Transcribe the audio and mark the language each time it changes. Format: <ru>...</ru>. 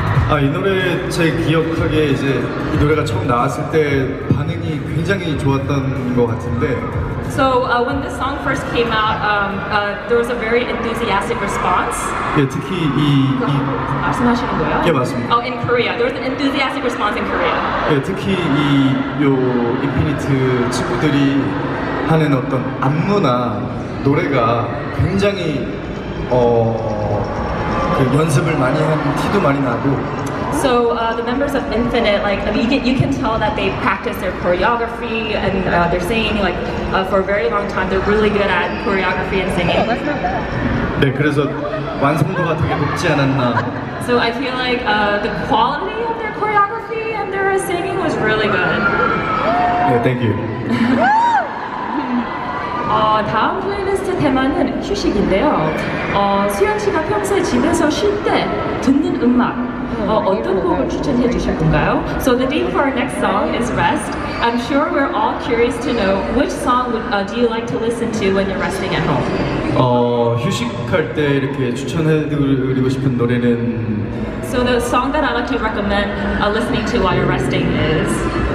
<ko>아, 이 노래 제 기억하기에 이제 이 노래가 처음 나왔을 때 반응이 굉장히 좋았던 것 같은데</ko> <en>So when this song first came out, there was a very enthusiastic response.</en> <ko>예, 특히 이 말씀하시는 거예요? 예, 맞습니다.</ko> <en>Oh, in Korea. There was an enthusiastic response in Korea.</en> <ko>예, 특히 이 요 인피니트 친구들이 하는 어떤 안무나 노래가 굉장히 그 연습을 많이 한 티도 많이 나고</ko> <en>So the members of Infinite like I mean, you can tell that they practice their choreography and they're singing like for a very long time they're really good at choreography and singing. That's not bad.</en> <ko>네, 그래서 완성도가 되게 높지 않았나.</ko> <en>So I feel like the quality of their choreography and their singing was really good. Yeah, thank you.</en> <ko>다음 플레이리스트 테마는 휴식인데요. 수현 씨가 평소에 집에서 쉴 때 듣는 음악 어떤 곡을 추천해 주실 건가요?</ko> <en>So the theme for our next song is rest. I'm sure we're all curious to know which song do you like to listen to when you're resting at home?</en> <ko>휴식할 때 이렇게 추천해 드리고 싶은 노래는</ko> <en>So the song that I like to recommend listening to while you're resting is</en>